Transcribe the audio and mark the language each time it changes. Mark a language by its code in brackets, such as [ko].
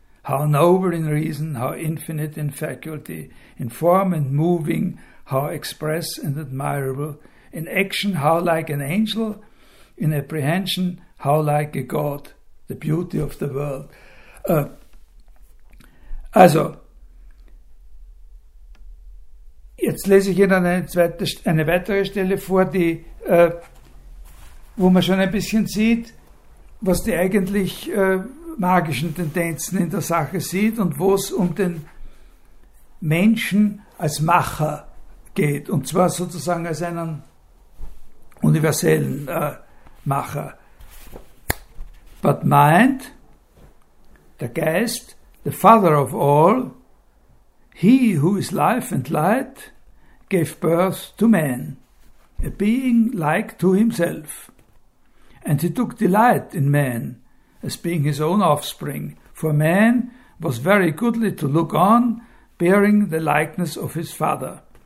[en] How noble in reason, how infinite in faculty, in form and moving, how express and admirable, in action, how like an angel, in apprehension, how like a god, the beauty of the world. [de] Also, jetzt lese ich Ihnen eine weitere Stelle vor, die, wo man schon ein bisschen sieht, was die eigentlich magischen Tendenzen in der Sache sieht und wo es um den Menschen als Macher geht, und zwar sozusagen als einen universellen Macher. [en] But mind, der Geist, the father of all, he who is life and light, gave birth to man, a being like to himself. And he took delight in man, as being his own offspring, for man was very goodly to look on, bearing the likeness of his father.